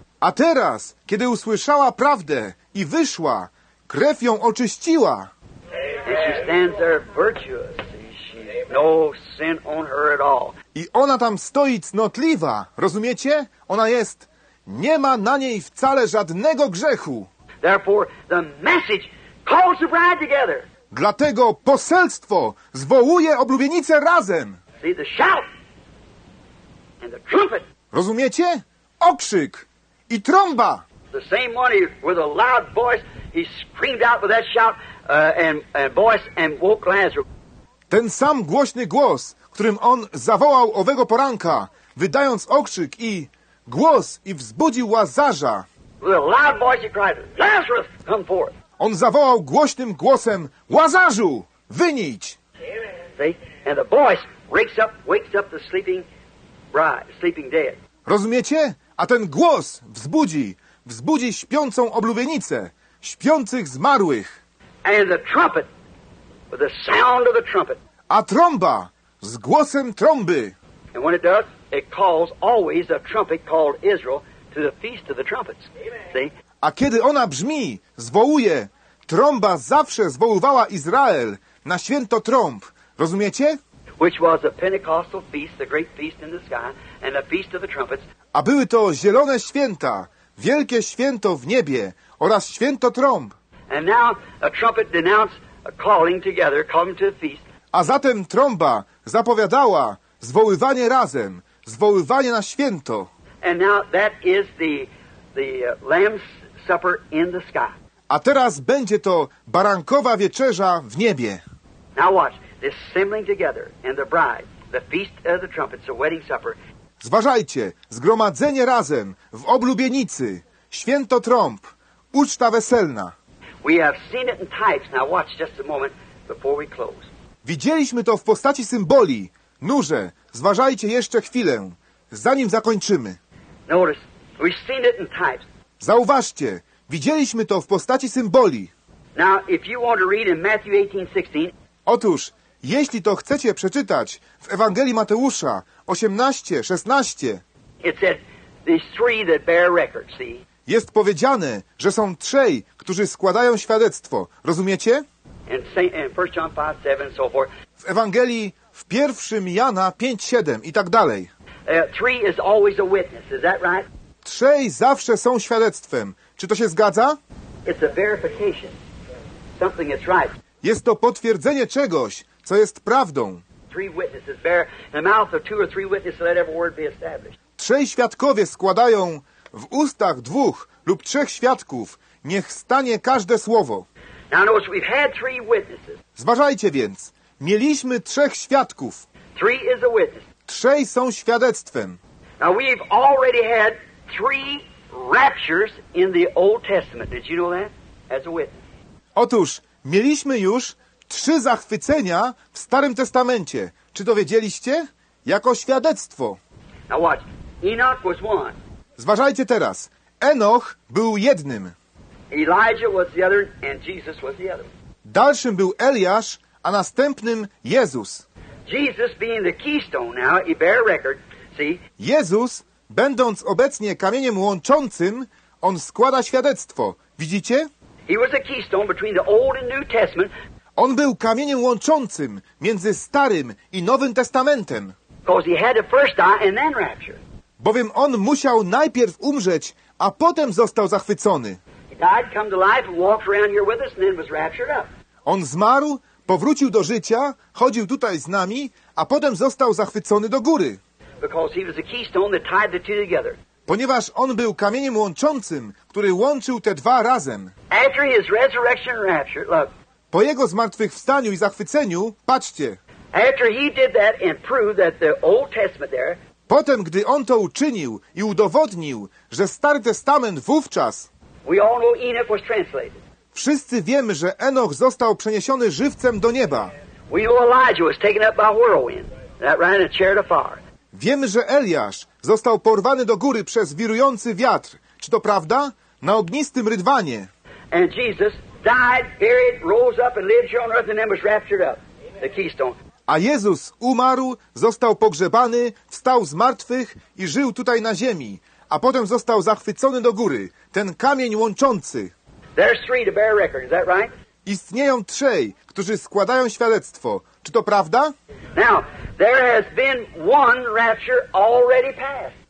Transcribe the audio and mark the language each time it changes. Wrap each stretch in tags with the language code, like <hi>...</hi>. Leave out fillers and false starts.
<pl>A teraz, kiedy usłyszała prawdę i wyszła, krew ją oczyściła.</pl> <en>And she stands there virtuous. She's no sin on her at all.</en> <pl>I ona tam stoi cnotliwa, rozumiecie? Ona jest, nie ma na niej wcale żadnego grzechu.</pl> <en>Therefore, the message calls the bride together.</en> <pl>Dlatego poselstwo zwołuje oblubienicę razem.</pl> <en>See the shout and the trumpet.</en> <pl>Rozumiecie? Okrzyk i trąba.</pl> <en>The same one with a loud voice, he screamed out with that shout and voice and woke Lazarus.</en> <pl>Ten sam głośny głos, którym on zawołał owego poranka, wydając okrzyk i głos i wzbudził Łazarza.</pl> <en>With a loud voice he cried, Lazarus, come forth.</en> <pl>On zawołał głośnym głosem, Łazarzu, wynić!</pl> <en>And the voice wakes up the sleeping bride, sleeping dead.</en> <pl>Rozumiecie? A ten głos wzbudzi śpiącą oblubienicę, śpiących zmarłych.</pl> <en>And the trumpet, with the sound of the trumpet.</en> <pl>A trąba z głosem trąby.</pl> <en>And when it does, it calls always a trumpet called Israel to the feast of the trumpets. See?</en> <pl>A kiedy ona brzmi, zwołuje, trąba zawsze zwoływała Izrael na święto trąb. Rozumiecie?</pl> <en>Which was the Pentecostal feast, the great feast in the sky, and the feast of the trumpets.</en> <pl>A były to zielone święta, wielkie święto w niebie oraz święto trąb.</pl> <en>And now a trumpet denounced a calling together, come to the feast.</en> <pl>A zatem trąba zapowiadała zwoływanie razem, zwoływanie na święto.</pl> <en>And now that is the lamb's supper in the sky.</en> <pl>A teraz będzie to barankowa wieczerza w niebie.</pl> <en>Now watch, the assembling together and the bride, the feast of the trumpets, the wedding supper.</en> <pl>Zważajcie, zgromadzenie razem w oblubienicy, święto trąb, uczta weselna.</pl> <en>We have seen it in types. Now watch just a moment before we close.</en> <pl>Widzieliśmy to w postaci symboli. Nurze, zważajcie jeszcze chwilę, zanim zakończymy.</pl> <en>Notice, we've seen it in types.</en> <pl>Zauważcie, widzieliśmy to w postaci symboli.</pl> <en>Now, if you want to read in Matthew 18:16.</en> <pl>Otóż, jeśli to chcecie przeczytać w Ewangelii Mateusza 18:16.</pl> <en>It said, there's three that bear record, see?</en> <pl>Jest powiedziane, że są trzej, którzy składają świadectwo. Rozumiecie?</pl> <en>And 1 John 5:7 and so forth.</en> <pl>W Ewangelii w 1 Jana 5:7 i tak dalej.</pl> <en>Three is always a witness, is that right?</en> <pl>Trzej zawsze są świadectwem. Czy to się zgadza?</pl> <en>It's a verification. Something is right.</en> <pl>Jest to potwierdzenie czegoś, co jest prawdą.</pl> <en>Three witnesses bear in the mouth of two or three witnesses let every word be established.</en> <pl>Trzej świadkowie składają w ustach dwóch lub trzech świadków. Niech stanie każde słowo.</pl> <en>Now notice we've had three witnesses.</en> <pl>Zważajcie więc. Mieliśmy trzech świadków.</pl> <en>Three is a witness.</en> <pl>Trzej są świadectwem.</pl> <en>Now we've already had three raptures in the Old Testament. Did you know that? As a witness.</en> <pl>Otóż, mieliśmy już trzy zachwycenia w Starym Testamencie. Czy to wiedzieliście? Jako świadectwo.</pl> <en>Now watch. Enoch was one.</en> <pl>Zważajcie teraz. Enoch był jednym.</pl> <en>Elijah was the other and Jesus was the other.</en> <pl>Dalszym był Eliasz, a następnym Jezus.</pl> <en>Jesus being the keystone now, he bear record, see?</en> <pl>Jezus, będąc obecnie kamieniem łączącym, on składa świadectwo. Widzicie?</pl> <en>He was a keystone between the Old and New Testament.</en> <pl>On był kamieniem łączącym między Starym i Nowym Testamentem.</pl> <en>Because he had to first die and then rapture.</en> <pl>Bowiem on musiał najpierw umrzeć, a potem został zachwycony.</pl> <en>He died, come to life, walked around here with us, and then was raptured up.</en> <pl>On zmarł, powrócił do życia, chodził tutaj z nami, a potem został zachwycony do góry.</pl> <en>Because he was a keystone that tied the two together.</en> <pl>Ponieważ on był kamieniem łączącym, który łączył te dwa razem.</pl> <en>After his resurrection and rapture, look.</en> <pl>Po jego zmartwychwstaniu i zachwyceniu, patrzcie.</pl> <en>After he did that and proved that the Old Testament there.</en> <pl>Potem, gdy on to uczynił i udowodnił, że Stary Testament wówczas.</pl> <en>We all know Enoch was translated.</en> <pl>Wszyscy wiemy, że Enoch został przeniesiony żywcem do nieba.</pl> <en>We know Elijah was taken up by a whirlwind that ran in a chariot of fire.</en> <pl>Wiemy, że Eliasz został porwany do góry przez wirujący wiatr. Czy to prawda? Na ognistym rydwanie.</pl> <en>And Jesus died, buried, rose up and lived here on earth and then was raptured up. The keystone.</en> <pl>A Jezus umarł, został pogrzebany, wstał z martwych i żył tutaj na ziemi. A potem został zachwycony do góry. Ten kamień łączący.</pl> <en>There's three to bear record, is that right?</en> <pl>Istnieją trzej, którzy składają świadectwo. Czy to prawda?</pl> <en>Now, there has been one rapture already passed.</en>